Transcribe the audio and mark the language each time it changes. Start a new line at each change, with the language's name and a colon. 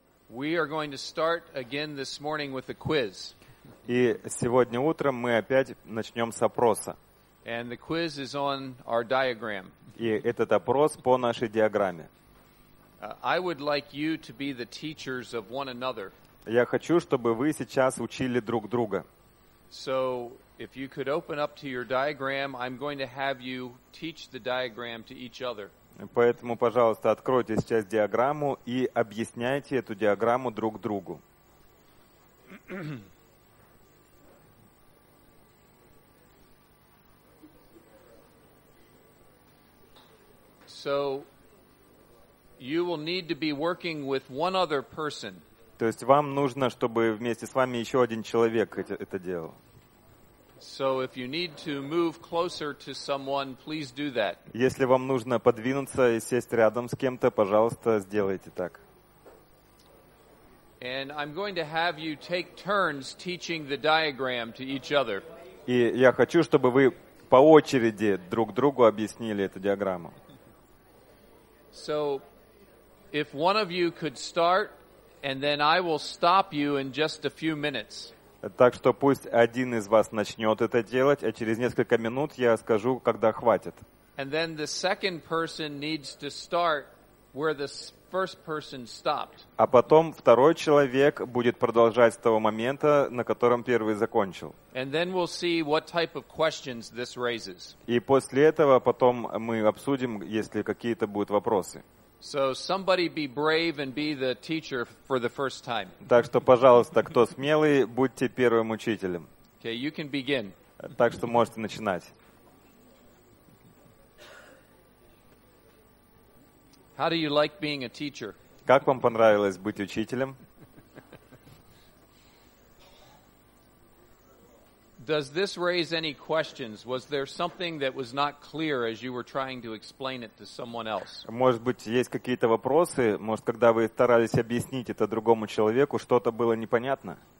English: We are going to start again this morning with a quiz.
Russian: И сегодня утром мы опять начнем с опроса.
English: And the quiz is on our diagram.
Russian: И этот опрос по нашей диаграмме.
English: I would like you to be the teachers of one another.
Russian: Я хочу, чтобы вы сейчас учили друг друга.
English: So if you could open up to your diagram, I'm going to have you teach the diagram to each other.
Russian: Поэтому, пожалуйста, откройте сейчас диаграмму и объясняйте эту диаграмму друг другу.
English: So you will need to be working with one other person.
Russian: То есть вам нужно, чтобы вместе с вами еще один человек это делал.
English: So if you need to move closer to someone, please do that.
Russian: Если вам нужно подвинуться и сесть рядом с кем-то, пожалуйста, сделайте так.
English: And I'm going to have you take turns teaching the diagram to each other.
Russian: И я хочу, чтобы вы по очереди друг другу объяснили эту диаграмму.
English: So if one of you could start, and then I will stop you in just a few minutes.
Russian: Так что пусть один из вас начнет это делать, а через несколько минут я скажу, когда хватит.
English: And then the second person needs to start where the first person stopped.
Russian: А потом второй человек будет продолжать с того момента, на котором первый закончил.
English: And then we'll see what type of questions this raises.
Russian: И после этого потом мы обсудим, если какие-то будут вопросы.
English: So somebody be brave and be the teacher for the first time.
Russian: Так что, пожалуйста, кто смелый, будьте первым учителем.
English: Okay, you can begin.
Russian: Так что можете начинать.
English: How do you like being a teacher?
Russian: Как вам понравилось быть учителем?
English: Does this raise any questions? Was there something that was not clear as you were trying to explain it to someone else?
Russian: Может быть, есть какие-то вопросы? Может, когда вы старались объяснить это другому человеку, что-то было непонятно?